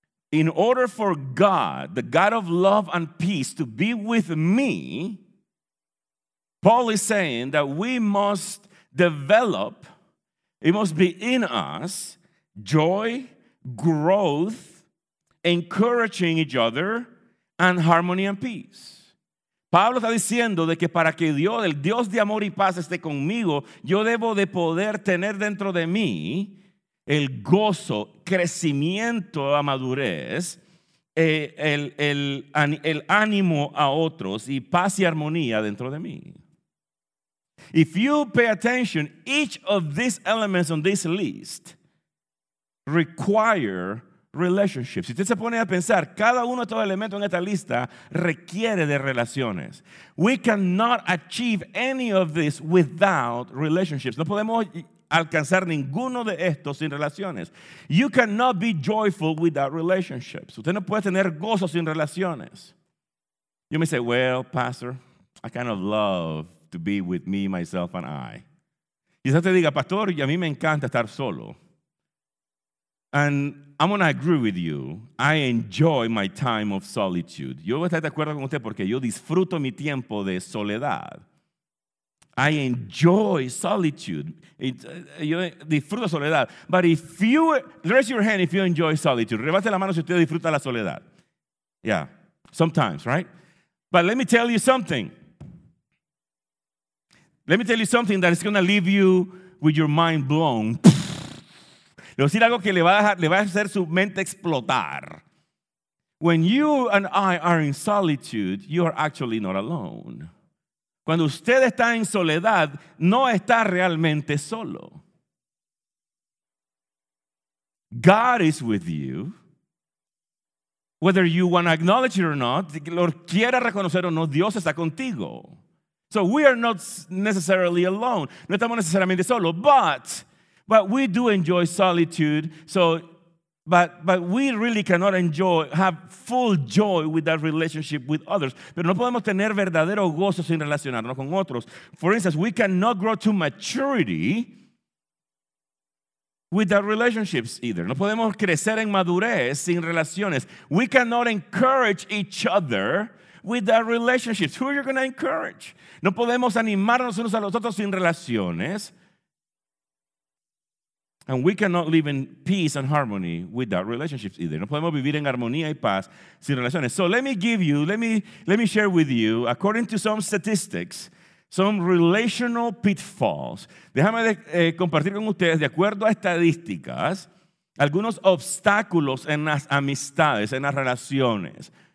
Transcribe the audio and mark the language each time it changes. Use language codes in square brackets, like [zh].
[en] In order for God, the God of love and peace, to be with me, Paul is saying that we must develop, it must be in us, joy, growth, encouraging each other, and harmony and peace. [es] Pablo está diciendo de que para que Dios, el Dios de amor y paz, esté conmigo, yo debo de poder tener dentro de mí el gozo, crecimiento a madurez, el ánimo a otros y paz y armonía dentro de mí. [en] If you pay attention, each of these elements on this list require relationships. [es] Si usted se pone a pensar, cada uno de estos elementos en esta lista requiere de relaciones. [en] We cannot achieve any of this without relationships. [es] No podemos alcanzar ninguno de estos sin relaciones. [en] You cannot be joyful without relationships. [es] Usted no puede tener gozo sin relaciones. [en] You may say, "Well, Pastor, I kind of love to be with me, myself, and I." [es] Quizás te diga, "Pastor, y a mí me encanta estar solo." [en] And I'm going to agree with you. I enjoy my time of solitude. [es] Yo voy a estar de acuerdo con usted porque yo disfruto mi tiempo de soledad. [en] I enjoy solitude. [es] Yo disfruto soledad. [en] But if you, raise your hand if you enjoy solitude. [es] Levante la mano si usted disfruta la soledad. [en] Yeah, sometimes, right? But let me tell you something. Let me tell you something that is going to leave you with your mind blown. [es] Le voy a decir algo que le va a hacer su mente explotar. [en] When you and I are in solitude, you are actually not alone. [es] Cuando usted está en soledad, no está realmente solo. [en] God is with you. Whether you want to acknowledge it or not, [es] lo quiera reconocer o no, Dios está contigo. [en] So we are not necessarily alone. [es] No estamos necesariamente solo, [en] but we do enjoy solitude. So, but we really cannot enjoy, have full joy with that relationship with others. [es] Pero no podemos tener verdadero gozo sin relacionarnos con otros. [en] For instance, we cannot grow to maturity without relationships either. [es] No podemos crecer en madurez sin relaciones. [en] We cannot encourage each other with our relationships. Who are you going to encourage? [es] No podemos animarnos unos a los otros sin relaciones. [en] And we cannot live in peace and harmony without relationships either. [es] No podemos vivir en armonía y paz sin relaciones. [en] So let me share with you, according to some statistics, some relational pitfalls. [es] Déjame compartir con ustedes, de acuerdo a estadísticas, algunos obstáculos en las amistades, en las relaciones.